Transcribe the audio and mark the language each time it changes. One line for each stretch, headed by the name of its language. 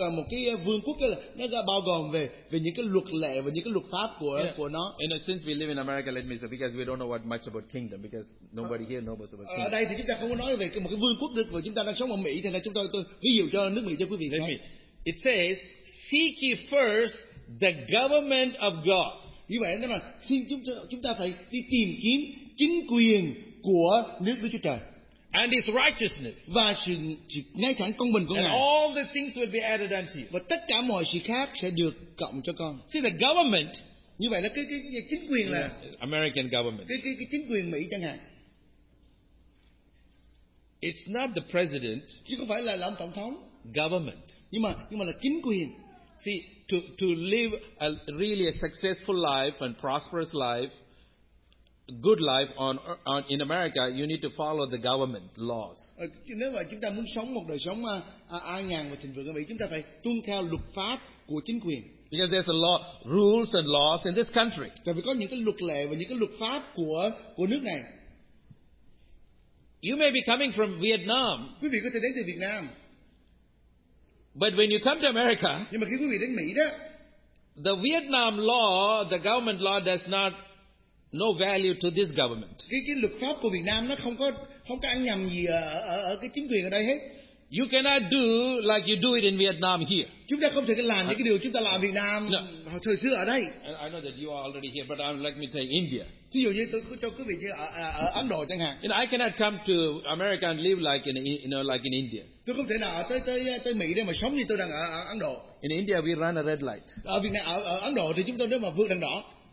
Vietnamese: Cái vương quốc là nó bao gồm về những cái luật lệ và những cái luật pháp của nó.
English: In a sense, we live in America, let me say, because we don't know what much about kingdom, because nobody here knows about kingdom.
Vietnamese: Ở đây thì chúng ta không có nói về một cái vương quốc được, và chúng ta đang sống ở Mỹ, thì là chúng tôi ví dụ cho nước Mỹ cho quý vị.
English: It says, seek ye first the government of God.
Vietnamese: Như vậy nên là chúng ta phải đi tìm kiếm chính quyền của nước Đức Chúa Trời.
English: And His righteousness.
Vietnamese: Và sự ngay thẳng công bình của Ngài.
English: And all the things will be added unto you.
Vietnamese: Và tất cả mọi sự khác sẽ được cộng cho con.
English: See the government.
Vietnamese: Như vậy là cái chính quyền là. Yeah,
English: American government.
Vietnamese: Cái chính quyền Mỹ chẳng hạn.
English: It's not the president.
Vietnamese: Chứ không phải là ông tổng thống.
English: Government.
Vietnamese: Nhưng mà là chính quyền.
English: See to live a really a successful life and prosperous life. Good life on in America, you need to follow the government laws.
Vietnamese: Nếu mà chúng ta muốn sống một đời sống an nhàn và thịnh vượng ở Mỹ, chúng ta phải tuân theo luật pháp của chính quyền.
English: Because there's a law, rules and laws in this country.
Vietnamese: Tại vì có những cái luật lệ và những cái luật pháp của nước này.
English: You may be coming from Vietnam.
Vietnamese: Quý vị có thể đến từ Việt Nam.
English: But when you come to America,
Vietnamese: nhưng mà khi quý vị đến Mỹ đó,
English: the Vietnam law, the government law does not. No value to this government.
Vietnamese: Cái luật pháp của Việt Nam nó không có ăn nhầm gì ở cái chính quyền ở đây hết.
English: You cannot do like you do it in Vietnam here.
Vietnamese: Chúng ta không thể làm những cái điều chúng ta làm ở Việt Nam thời xưa ở đây.
English: I know that you are already here, but let me tell you, India.
Vietnamese: Ví dụ như tôi cho quý vị như ở Ấn Độ chẳng hạn.
English: You know, I cannot come to America and live like in India.
Vietnamese: Tôi không thể nào tới Mỹ để mà sống như tôi đang ở Ấn Độ.
English: In India, we run a red light.
Vietnamese: Ở Ấn Độ thì chúng tôi nếu mà vượt đèn đỏ.